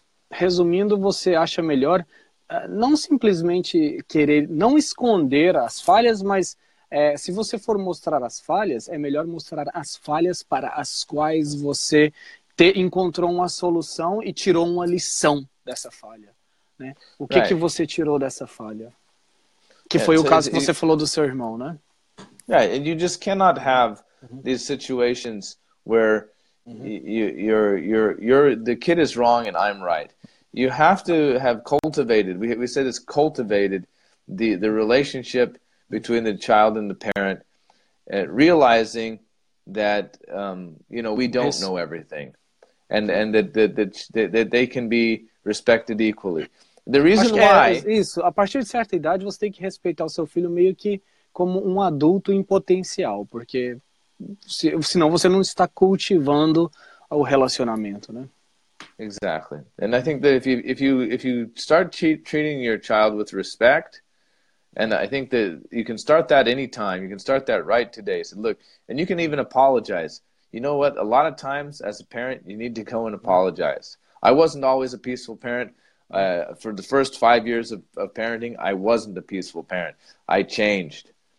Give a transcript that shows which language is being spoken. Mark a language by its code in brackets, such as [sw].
[pt] Resumindo, você acha melhor não simplesmente querer não esconder as falhas, mas se você for mostrar as falhas, é melhor mostrar as falhas para as quais você encontrou uma solução e tirou uma lição dessa falha, né? O que, que você tirou dessa falha? Que foi o caso que você falou do seu irmão, né? [en] Yeah, and you just cannot have these situations where you're the kid is wrong and I'm right. You have to have cultivated, we say this, cultivated the relationship between the child and the parent, realizing that you know, we don't know everything, and that they can be respected equally. The reason why [pt] isso, a partir de certa idade você tem que respeitar o seu filho meio que como um adulto em potencial, porque senão você não está cultivando o relacionamento, né? [en] Exactly. And I think that if you start treating your child with respect, and I think that you can start that anytime. You can start that right today. So look, and you can even apologize. You know what? A lot of times as a parent, you need to go and apologize. I wasn't always a peaceful parent. For the first 5 years of parenting, I wasn't a peaceful parent. I changed.